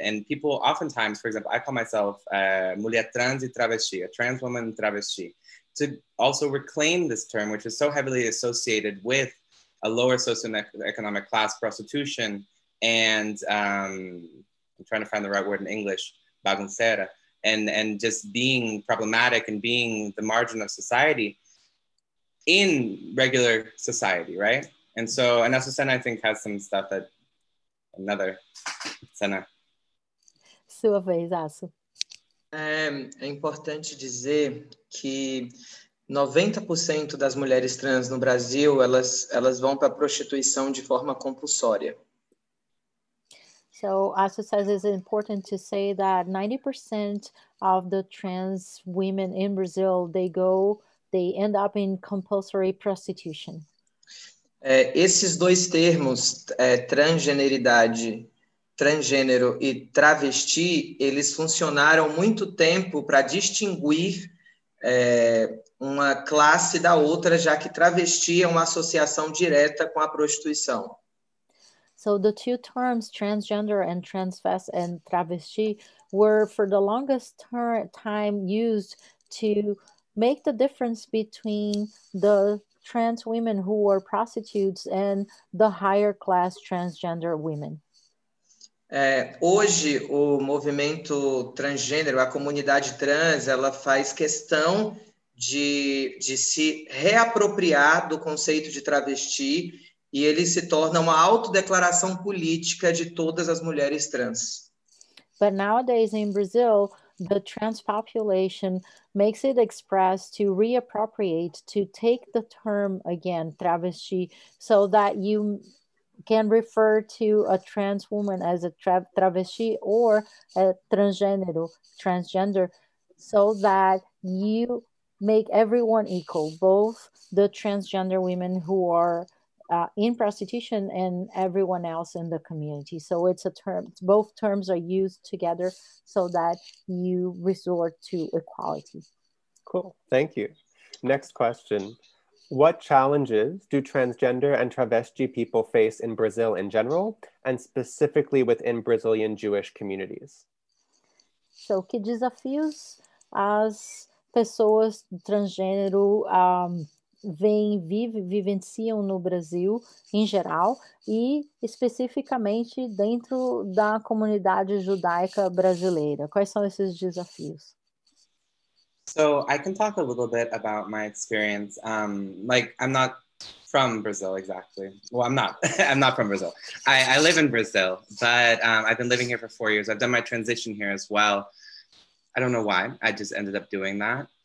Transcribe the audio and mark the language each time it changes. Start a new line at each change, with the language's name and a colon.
English: And people oftentimes, for example, I call myself
Portuguese: mulher trans e travesti,
English: a trans woman travesti, to also reclaim this term, which is so heavily associated with a lower socioeconomic class, prostitution, and I'm trying to find the right word in English, bagunceira, and just being problematic and being the margin of society in regular society, right? And so, and Azucena, I think, has some stuff that another Sena.
Portuguese: Sua vez, Azu. É importante dizer que 90% das mulheres trans no Brasil, elas vão para a prostituição de forma compulsória.
English: So, Asu says it's important to say that 90% of the trans women in Brazil, they go they end up in compulsory prostitution.
Portuguese: Esses dois termos, transgeneridade, transgênero e travesti, eles funcionaram muito tempo para distinguir uma classe da outra, já que travesti é uma associação direta com a prostituição.
English: So the two terms, transgender and travesti, were for the longest time used to make the difference between the trans women who were prostitutes and the higher class transgender women.
Portuguese: Hoje, o movimento transgênero, a comunidade trans, ela faz questão de se reapropriar do conceito de travesti e ele se torna uma autodeclaração política de todas as mulheres trans.
English: But nowadays in Brazil, the trans population makes it express to reappropriate, to take the term again, travesti, so that you can refer to a trans woman as a travesti or a transgênero, transgender, so that you make everyone equal, both the transgender women who are in prostitution and everyone else in the community. So it's a term, both terms are used together so that you resort to equality. Cool, thank you. Next question. What challenges do transgender and travesti people face in Brazil in general, and specifically within Brazilian Jewish communities?
Portuguese: So, que desafios as pessoas transgênero vivenciam no Brasil em geral, e especificamente dentro da comunidade judaica brasileira? Quais são esses desafios?
English: So I can talk a little bit about my experience. I'm not from Brazil exactly. Well, I'm not from Brazil. I live in Brazil, but I've been living here for 4 years. I've done my transition here as well. I don't know why, I just ended up doing that.